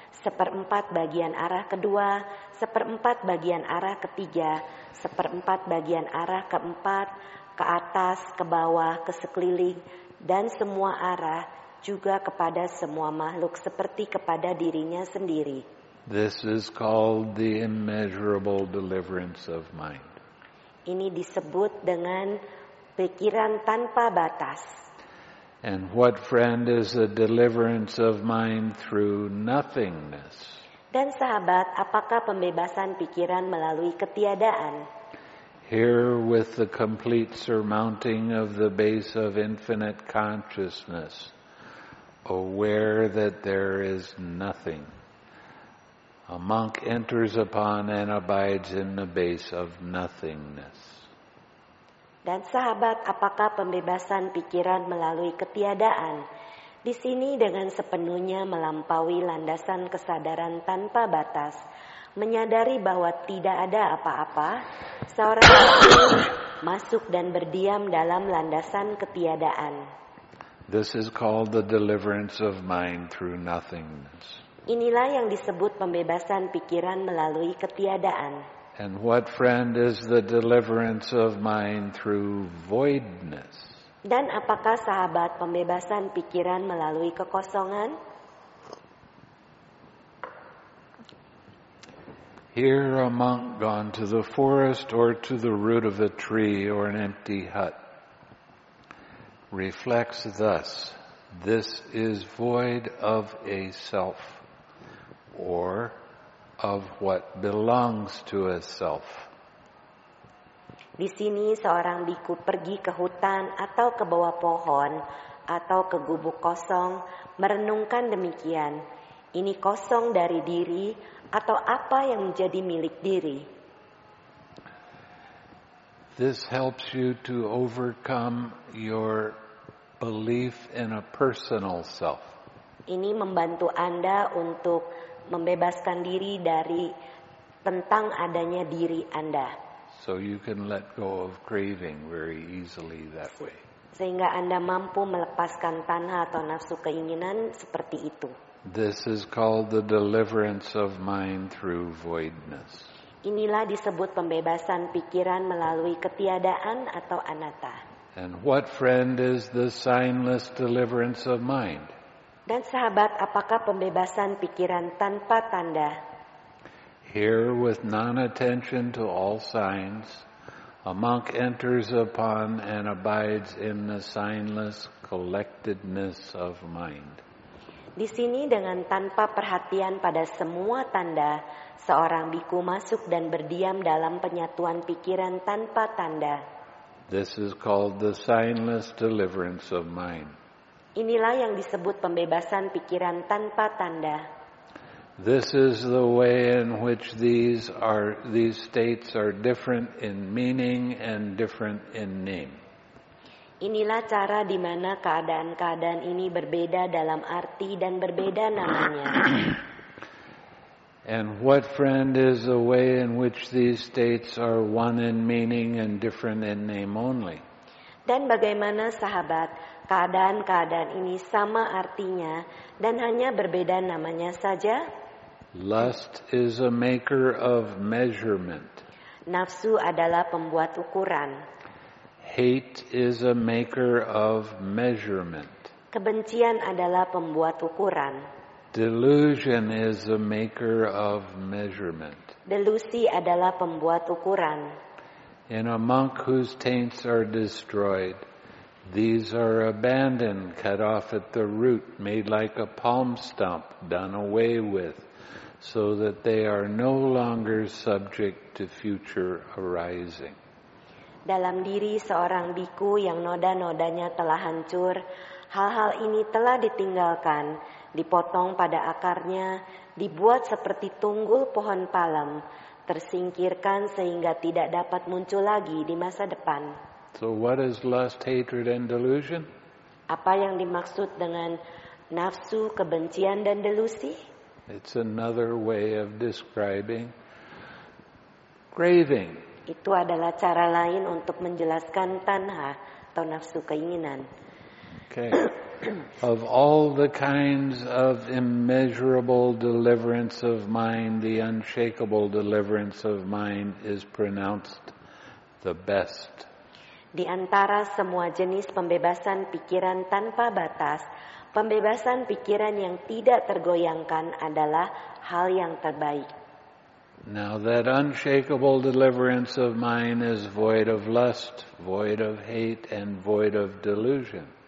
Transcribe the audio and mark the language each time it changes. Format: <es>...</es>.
<id>Seperempat bagian arah kedua, seperempat bagian arah ketiga, seperempat bagian arah keempat, ke atas, ke bawah, ke sekeliling, dan semua arah, juga kepada semua makhluk seperti kepada dirinya sendiri.</id> <en>This is called the immeasurable deliverance of mind.</en> <id>Ini disebut dengan pikiran tanpa batas.</id> <en>And what friend is a deliverance of mind through nothingness?</en> <id>Dan sahabat, apakah pembebasan pikiran melalui ketiadaan?</id> <en>Here with the complete surmounting of the base of infinite consciousness, aware that there is nothing, a monk enters upon and abides in the base of nothingness.</en> <id>Dan sahabat, apakah pembebasan pikiran melalui ketiadaan? Di sini dengan sepenuhnya melampaui landasan kesadaran tanpa batas, menyadari bahwa tidak ada apa-apa, seorang masuk dan berdiam dalam landasan ketiadaan.</id> <en>This is called the deliverance of mind through nothingness.</en> <id>Inilah yang disebut pembebasan pikiran melalui ketiadaan.</id> <en>And what friend is the deliverance of mind through voidness?</en> <id>Dan apakah sahabat pembebasan pikiran melalui kekosongan?</id> <en>Here a monk gone to the forest or to the root of a tree or an empty hut reflects thus, this is void of a self or of what belongs to a self.</en> <id>Di sini seorang bhikkhu pergi ke hutan atau ke bawah pohon atau ke gubuk kosong merenungkan demikian. Ini kosong dari diri atau apa yang menjadi milik diri.</id> <en>This helps you to overcome your belief in a personal self.</en> <id>Ini membantu Anda untuk membebaskan diri dari tentang adanya diri Anda.</id> <en>So you can let go of craving very easily that way.</en> <id>Sehingga Anda mampu melepaskan tanha atau nafsu keinginan seperti itu.</id> <en>This is called the deliverance of mind through voidness.</en> <id>Inilah disebut pembebasan pikiran melalui ketiadaan atau anatta.</id> <en>And what friend is the signless deliverance of mind?</en> <id>Dan sahabat, apakah pembebasan pikiran tanpa tanda?</id> <en>Here with non-attention to all signs, a monk enters upon and abides in the signless collectedness of mind.</en> <id>Di sini dengan tanpa perhatian pada semua tanda, seorang bhikkhu masuk dan berdiam dalam penyatuan pikiran tanpa tanda.</id> <en>This is called the signless deliverance of mind.</en> <id>Inilah yang disebut pembebasan pikiran tanpa tanda.</id> <en>This is the way in which these states are different in meaning and different in name.</en> <id>Inilah cara di mana keadaan-keadaan ini berbeda dalam arti dan berbeda namanya.</id> <en>And what friend is the way in which these states are one in meaning and different in name only?</en> <id>Dan bagaimana sahabat, keadaan-keadaan ini sama artinya dan hanya berbeda namanya saja?</id> <en>Lust is a maker of measurement.</en> <id>Nafsu adalah pembuat ukuran.</id> <en>Hate is a maker of measurement.</en> <id>Kebencian adalah pembuat ukuran.</id> <en>Delusion is a maker of measurement.</en> <id>Delusi adalah pembuat ukuran.</id> <en>In a monk whose taints are destroyed, these are abandoned, cut off at the root, made like a palm stump, done away with, so that they are no longer subject to future arising.</en> <id>Dalam diri seorang bhikkhu yang noda-nodanya telah hancur, hal-hal ini telah ditinggalkan, dipotong pada akarnya, dibuat seperti tunggul pohon palem, tersingkirkan sehingga tidak dapat muncul lagi di masa depan.</id> <en>So what is lust, hatred, and delusion?</en> <id>Apa yang dimaksud dengan nafsu, kebencian, dan delusi?</id> <en>It's another way of describing craving.</en> <id>Itu adalah cara lain untuk menjelaskan tanha atau nafsu keinginan.</id> <en>Okay. Of all the kinds of immeasurable deliverance of mind, the unshakable deliverance of mind is pronounced the best.</en> <id>Di antara semua jenis pembebasan pikiran tanpa batas, pembebasan pikiran yang tidak tergoyangkan adalah hal yang terbaik.</id> <en>Now that unshakable deliverance of mind is void of lust, void of hate, and void of delusion.</en>